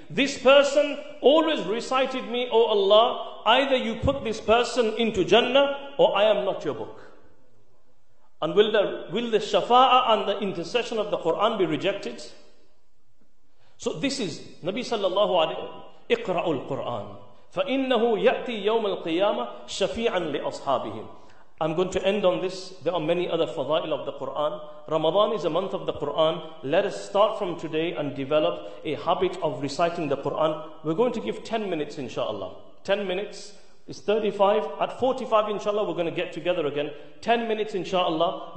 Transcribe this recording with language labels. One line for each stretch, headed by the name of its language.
English: This person always recited me, O Allah, either you put this person into Jannah or I am not your book. And will the shafa'ah and the intercession of the Quran be rejected? So this is Nabi sallallahu alayhi wa sallam,
Arabic: اقرأوا القرآن فإنه يأتي يوم القيامة شفيعا لأصحابهم.
English: I'm going to end on this. There are many other fadail of the Quran. Ramadan is a month of the Quran. Let us start from today and develop a habit of reciting the Quran. We're going to give 10 minutes inshallah. 10 minutes is 35. At 45 inshallah we're going to get together again. 10 minutes inshallah.